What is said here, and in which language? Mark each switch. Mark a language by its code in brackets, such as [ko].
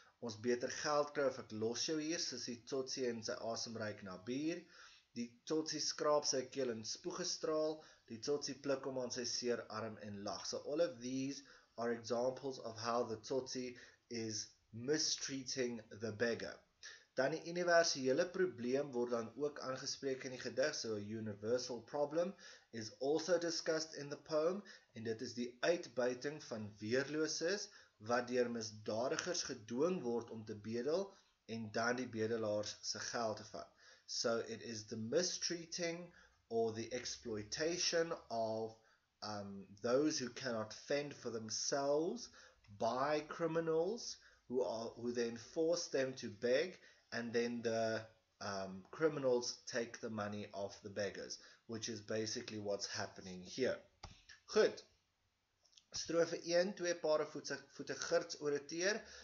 [af] Ons beter geld kry of ek los jou hier, sies die Tsotsi en sy asem ruik na bier. Die Tsotsi skraap sy keel in spoegestraal. Die Tsotsi pluk hom aan sy seer arm en lag. [en] So all of these are examples of how the Tsotsi is mistreating the beggar. [af] Dan die universele probleem word dan ook aangespreek in die gedig, [en] so a universal problem is also discussed in the poem, [af] en dit is die uitbuiting van weerloses, wat deur misdadigers gedwing word om te bedel, en dan die bedelaars se geld te vat. [en] So it is the mistreating or the exploitation of those who cannot fend for themselves by criminals who then force them to beg, and then the criminals take the money off the beggars, which is basically what's happening here. [af] Goed. Strofe 1, twee pare voete girts oor 'n teer.